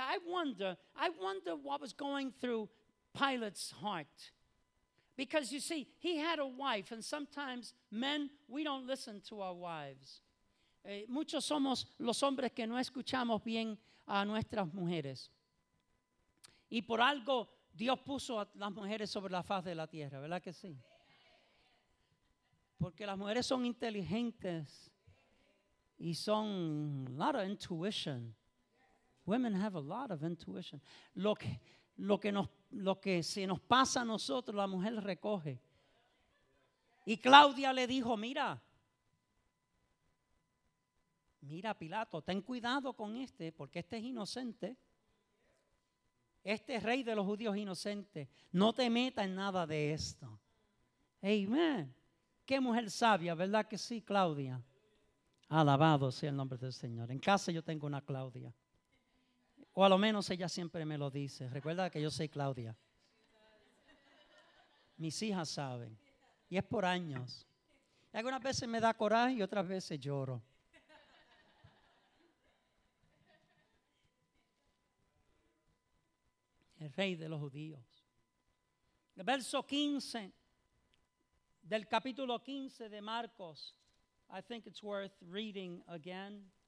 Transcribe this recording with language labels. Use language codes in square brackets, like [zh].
[en] I wonder what was going through Pilate's heart. Because you see, he had a wife, and sometimes men, we don't listen to our wives. [es] Muchos somos los hombres que no escuchamos bien a nuestras mujeres. Y por algo Dios puso a las mujeres sobre la faz de la tierra, ¿verdad que sí? Porque las mujeres son inteligentes y son [en] a lot of intuition. Women have a lot of intuition. [es] Lo que se nos pasa a nosotros, la mujer recoge. Y Claudia le dijo, mira Pilato, ten cuidado con este, porque este es inocente. Este rey de los judíos inocente, no te metas en nada de esto. Amen. Qué mujer sabia, ¿verdad que sí, Claudia? Alabado sea el nombre del Señor. En casa yo tengo una Claudia. O a lo menos ella siempre me lo dice. Recuerda que yo soy Claudia. Mis hijas saben. Y es por años. Y algunas veces me da coraje y otras veces lloro. El rey de los judíos. El verso 15 del capítulo 15 de Marcos. [en] I think it's worth reading again.